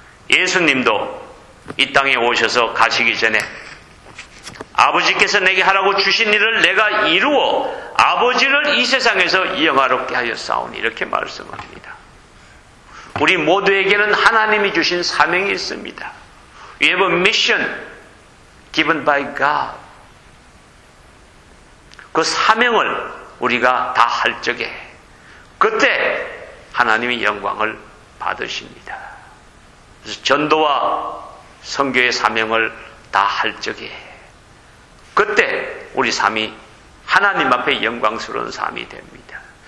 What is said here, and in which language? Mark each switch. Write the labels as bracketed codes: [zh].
[ko] 예수님도 이 땅에 오셔서 가시기 전에 아버지께서 내게 하라고 주신 일을 내가 이루어 아버지를 이 세상에서 영화롭게 하였사오니 이렇게 말씀합니다. 우리 모두에게는 하나님이 주신 사명이 있습니다. [en] We have a mission given by God. [ko] 그 사명을 우리가 다 할 적에 그때 하나님이 영광을 받으십니다. 그래서 전도와 선교의 사명을 다 할 적에 그때 우리 삶이 하나님 앞에 영광스러운 삶이 됩니다.